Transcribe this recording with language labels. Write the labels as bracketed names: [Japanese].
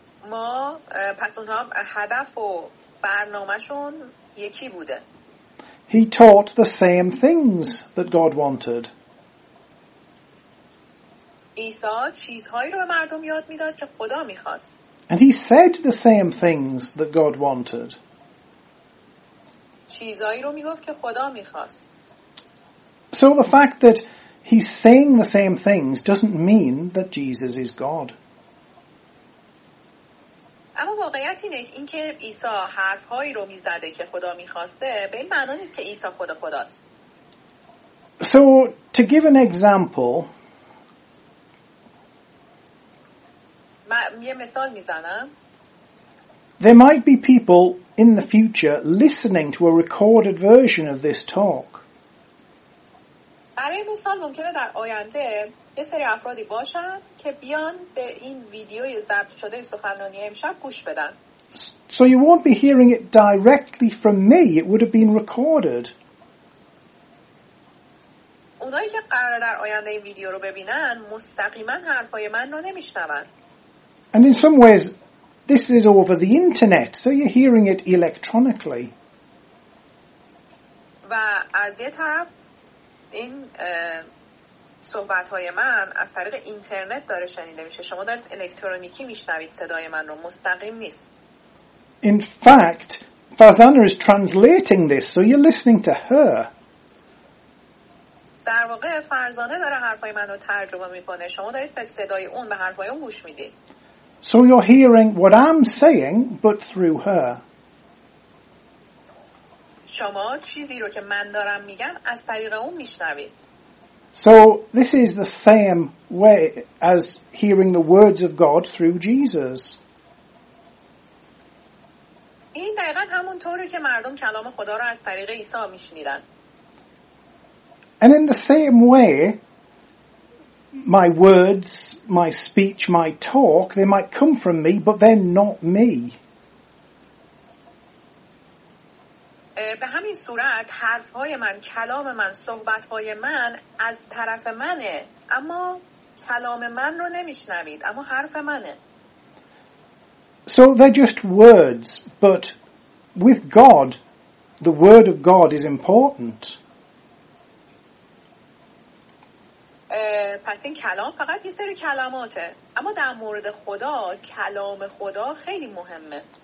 [Persian] ما پس اونها هدف و برنامه‌شون یکی بوده. [English] He taught the same things that God wanted. [Persian] عیسی چیزهایی رو به مردم یاد میداد که خدا میخواست. [English] And he said the same things that God wanted. [Persian] چیزهایی رو میگفت که خدا میخواست. [English] So the fact that he's saying the same things doesn't mean that Jesus is God. [Persian] اما واقعیت اینه اینکه عیسی حرفهایی رو میزده که خدا میخواسته به این معنی نیست که عیسی خود خداست. [English] So to give an example. [Persian] یه مثال میزنم. [English] There might be people in the future listening to a recorded version of this talk. [Persian] برای مثال ممکنه در آینده یه سری افرادی باشن که بیان به این ویدیوی ضبط شده سخنرانی امشب گوش بدن. [English] So you won't be hearing it directly from me. It would have been recorded. [Persian] اونایی که قراره در آینده این ویدیو رو ببینن مستقیما حرفای من رو نمیشنون. [English] And in some ways, this is over the internet, so you're hearing it electronically. [Persian] و از یه طرف این صحبت‌های من از طریق اینترنت داره شنیده میشه. شما دارید الکترونیکی میشنوید صدای من رو، مستقیم نیست. [English] In fact, Farzana is translating this, so you're listening to her. [Persian] در واقع فرزانه داره حرفای من رو ترجمه میکنه. شما دارید به صدای اون، به حرفای اون گوش میدید. [English] So you're hearing what I'm saying, but through her. [Persian] شما چیزی رو که من دارم میگم از طریق اون میشنوید. [English] So this is the same way as hearing the words of God through Jesus. [Persian] این دقیقا همون طوره که مردم کلام خدا رو از طریق عیسی میشنیدن. [English] And in the same way, my words, my speech, my talk, they might come from me, but they're not me. [Persian] به همین صورت حرف‌های من، کلام من، صحبت‌های من از طرف منه، اما کلام من رو نمی‌شنوید، اما حرف منه. [English] So they're just words, but with God, the word of God is important. [Persian] پس این کلام فقط یه سری کلماته، اما در مورد خدا کلام خدا خیلی مهمه.